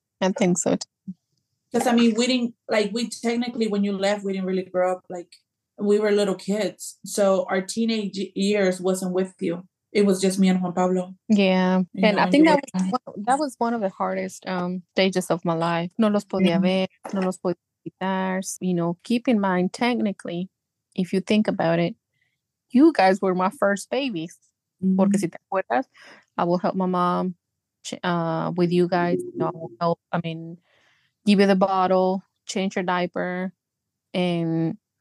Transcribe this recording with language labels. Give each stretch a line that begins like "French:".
English: I think so, too. Because, I mean, we didn't, like, we technically, when you left, we didn't really grow up, like, we were little kids, so our teenage years wasn't with you. It was just me and Juan Pablo. Yeah, I think that was one of the hardest stages of my life.
Spanish: No los podía ver, no los podía quitar.
English: You know, keep in mind, technically, if you think about it, you guys were my first babies. Mm-hmm.
Spanish: Porque si te acuerdas,
English: I will help my mom with you guys. You know, I will help, I mean, give you the bottle, change your diaper, and...